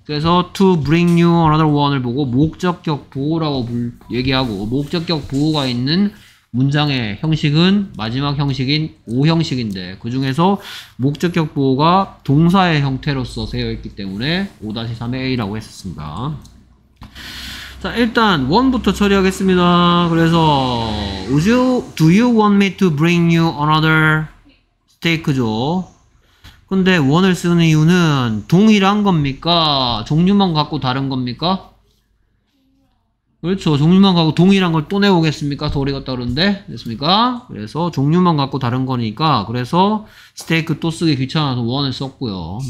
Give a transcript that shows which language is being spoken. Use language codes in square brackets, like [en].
[ko] 그래서 to bring you another one을 보고 목적격 보어라고 얘기하고, 목적격 보어가 있는 문장의 형식은 마지막 형식인 5형식인데 그 중에서 목적격 보호가 동사의 형태로서 세여있기 때문에 5-3의 A라고 했었습니다. 자 일단 1부터 처리하겠습니다. 그래서 [en] would you, Do you want me to bring you another steak죠? [ko] 근데 1을 쓰는 이유는 동일한 겁니까? 종류만 갖고 다른 겁니까? 그렇죠. 종류만 갖고 동일한 걸 또 내오겠습니까? 덜 익었다 그러는데. 됐습니까? 그래서 종류만 갖고 다른 거니까 그래서 스테이크 또 쓰기 귀찮아서 원을 썼고요.